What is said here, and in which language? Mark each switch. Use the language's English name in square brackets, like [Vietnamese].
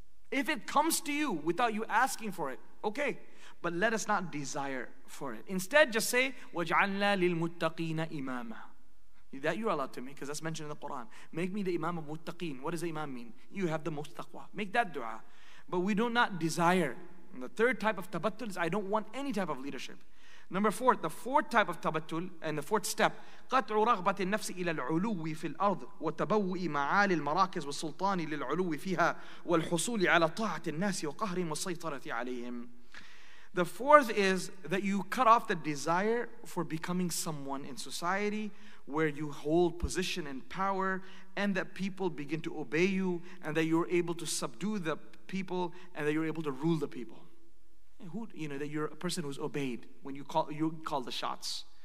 [English] If it comes to you without you asking for it, okay. But let us not desire for it. Instead, just say, [Arabic] وَجْعَلْنَا لِلْمُتَّقِينَ إِمَامًا. [English] That you're allowed to make, because that's mentioned in the Quran. Make me the imam of muttaqeen. What does the imam mean? You have the most taqwa. Make that dua. But we do not desire. And the third type of tabattul is, I don't want any type of leadership. Number four, the fourth type of tabattul and the fourth step, [Arabic] قَطْعُ رَغْبَةِ النَّفْسِ إِلَى الْعُلُوِّ فِي الْأَرْضِ وَتَبَوُّئِ مَعَالِ الْمَرَاكِزِ وَالسُّلْطَانِ لِلْعُلُوِّ فِيهَا وَالْحُصُولِ عَلَى طَاعَةِ النَّاسِ وَقَهْرِهِمْ وَالسَّيْطَرَةِ عَلَيْهِمْ. [English] The fourth is that you cut off the desire for becoming someone in society where you hold position and power, and that people begin to obey you, and that you're able to subdue the people, and that you're able to rule the people. Who, you know, that you're a person who's obeyed when you call the shots.